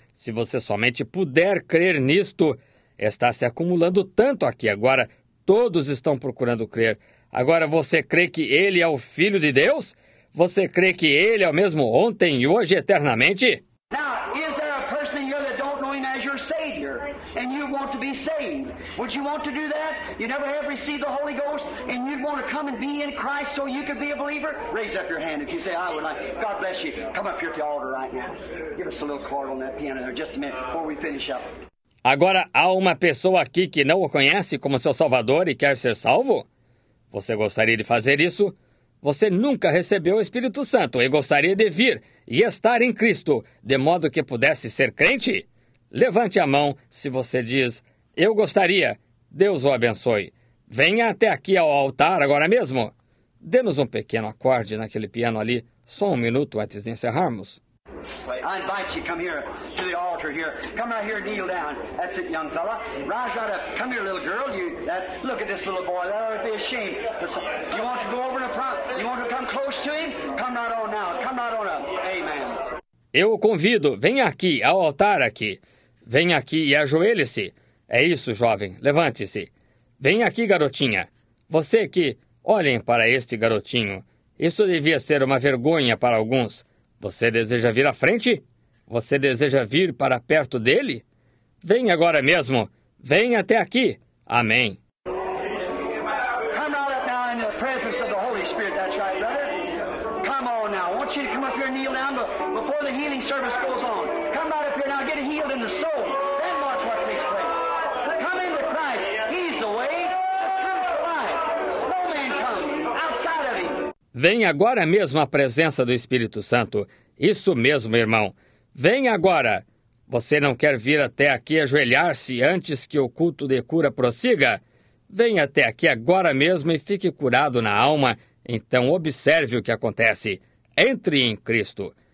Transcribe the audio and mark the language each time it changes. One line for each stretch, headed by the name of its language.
Portuguese: Se você somente puder crer nisto, está se acumulando tanto aqui agora. Todos estão procurando crer. Agora, você crê que ele é o Filho de Deus? Você crê que ele é o mesmo ontem e hoje eternamente?
English: Now, is there a person here that don't know him as your Savior? And you want to be saved? Would you want to do that? You never have received the Holy Ghost, and you'd want to come and be in Christ so you could be a believer? Raise up your hand if you say, I would like. God bless you. Come up here to the altar right now. Give us a little chord on that piano there just a minute before we finish up.
Portuguese: Agora há uma pessoa aqui que não o conhece como seu Salvador e quer ser salvo? Você gostaria de fazer isso? Você nunca recebeu o Espírito Santo e gostaria de vir e estar em Cristo, de modo que pudesse ser crente? Levante a mão se você diz, eu gostaria. Deus o abençoe. Venha até aqui ao altar agora mesmo. Dê-nos um pequeno acorde naquele piano ali, só um minuto antes de encerrarmos.
English: I invite you to come here to the altar here. Come right here, kneel down. That's it, young fella. Rise right up. Come here, little girl. Look at this little boy. That would be a shame. You want to go over to prom? You want to come close to him? Come right on now. Come right on up. Amen.
Portuguese: Eu o convido. Venha aqui, ao altar aqui. Venha aqui e ajoelhe-se. É isso, jovem. Levante-se. Venha aqui, garotinha. Você aqui. Olhem para este garotinho. Isso devia ser uma vergonha para alguns. Você deseja vir à frente? Você deseja vir para perto dele? Venha agora mesmo. Venha até aqui. Amém.
English: Come right now in the presence of the Holy Spirit. That's right, brother. Come on now. I want you to come up here and kneel down before the healing service goes on. Come right up here now. Get healed in the soul. Then watch what takes place. Come into Christ. He's the way. Come to life. No man comes outside of him.
Portuguese: Venha agora mesmo à presença do Espírito Santo. Isso mesmo, irmão. Venha agora. Você não quer vir até aqui ajoelhar-se antes que o culto de cura prossiga? Venha até aqui agora mesmo e fique curado na alma. Então observe o que acontece. Entre em Cristo.